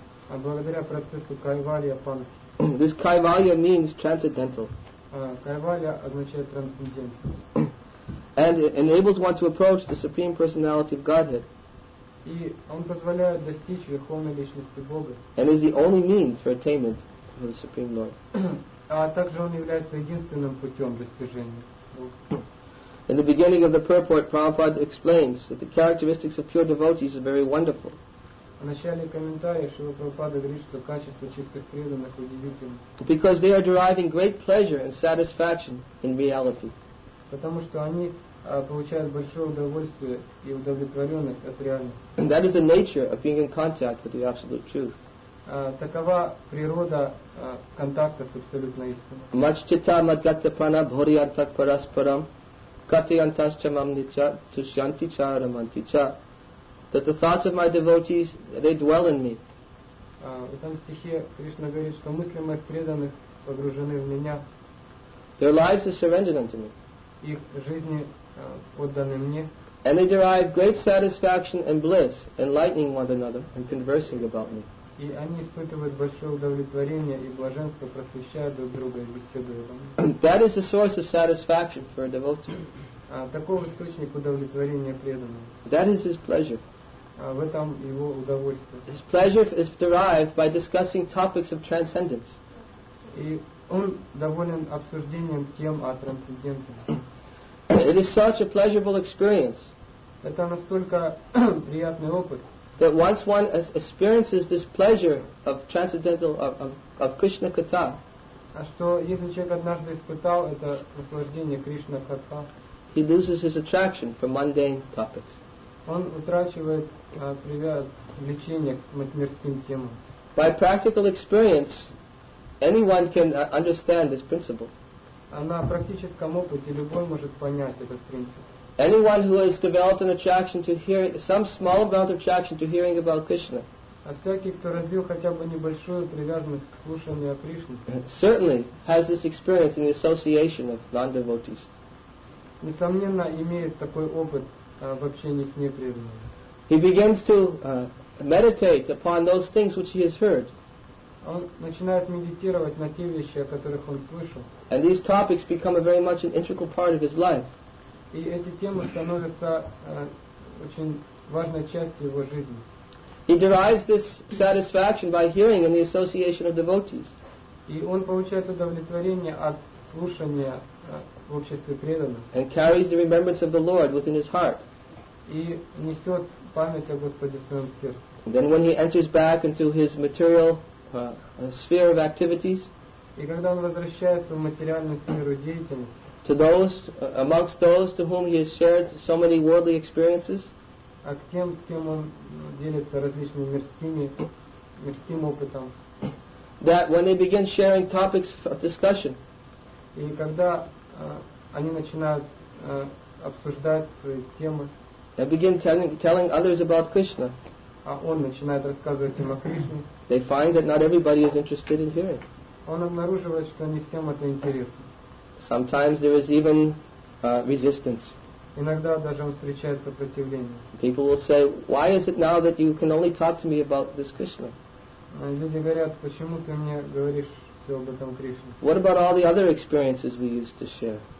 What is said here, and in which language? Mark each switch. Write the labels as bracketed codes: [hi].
[ru] благодаря процессу Kaivalya Panta. [en] This Kaivalya means transcendental. [ru] Kaivalya означает трансцендент. [en] And it enables one to approach the Supreme Personality of Godhead. [ru] И он позволяет достичь верховной личности Бога. [en] And is the only means for attainment of the Supreme Lord. [ru] А также он является единственным путем достижения. [en] In the beginning of the purport, Prabhupada explains that the characteristics of pure devotees are very wonderful. [ru] В начале комментария Шрила Прабхупада говорит, что качество чистых преданных удивительно. [en] Because they are deriving great pleasure and satisfaction in reality. [ru] Потому что они получают большое удовольствие и удовлетворенность от реальности. [en] And that is the nature of being in contact with the absolute truth. [ru] Такова природа контакта с абсолютной истиной. [sa] Маччита мадгатта пана бхориянтак параспарам катиянтасча мамнича тушьянтича романтича. [en] That the thoughts of my devotees, they dwell in me. [ru] В этом стихе Кришна говорит, что мысли моих преданных погружены в меня. [en] Their lives are surrendered unto me. [ru] Их жизни отданы мне. [en] And they derive great satisfaction and bliss, enlightening one another and conversing about me. [ru] И они испытывают большое удовлетворение и блаженство, просвещая друг друга и беседуя обо мне. [en] That is the source of satisfaction for a devotee. [ru] Такой источник удовлетворения преданного. [en] That is his pleasure. [ru] В этом его удовольствие. [en] His pleasure is derived by discussing topics of transcendence. [ru] И он доволен обсуждением тем о трансценденте. [en] It is such a pleasurable experience. [ru] Это настолько приятный опыт. [en] That once one experiences this pleasure of transcendental of Krishna Katha. [ru] А что если человек однажды испытал это наслаждение Кришна Катха? [en] He loses his attraction for mundane topics. [ru] Он утрачивает влечение к мирским темам. [en] By practical experience, anyone can understand this principle. [ru] На практическом опыте любой может понять этот принцип. [en] Anyone who has developed an attraction to hearing, some small amount of attraction to hearing about Krishna. [ru] А всякий, кто развил хотя бы небольшую привязанность к слушанию о Кришне. [en] Certainly has this experience in the association of non-devotees. [ru] Несомненно, имеет такой опыт в общении с непреданными. [en] He begins to meditate upon those things which he has heard. [ru] Он начинает медитировать на те вещи, о которых он слышал. [en] And these topics become a very much an integral part of his life. [ru] И эти темы становятся очень важной частью его жизни. [en] He derives this satisfaction by hearing in the association of devotees. [ru] И он получает удовлетворение от слушания в обществе преданных. [en] And carries the remembrance of the Lord within his heart. [ru] И несет память о Господе в своем сердце. [en] Then when he enters back into his material sphere of activities, [ru] и когда он возвращается в материальную сферу деятельности, [en] to those, amongst those to whom he has shared so many worldly experiences, [ru] а к тем, с кем он делится различными мирским опытом, [en] that when they begin sharing topics of discussion, [ru] и когда они начинают обсуждать свои темы, [en] they begin telling others about Krishna, [ru] а он начинает рассказывать им о Кришне, [en] they find that not everybody is interested in hearing. [ru] Он обнаруживает, что не всем это интересно. [en] Sometimes there is even resistance. [ru] Иногда даже он встречает сопротивление. [en] People will say, why is it now that you can only talk to me about this Krishna? [ru] Люди говорят, почему ты мне говоришь все об этом Кришне? [en] What about all the other experiences we used to share?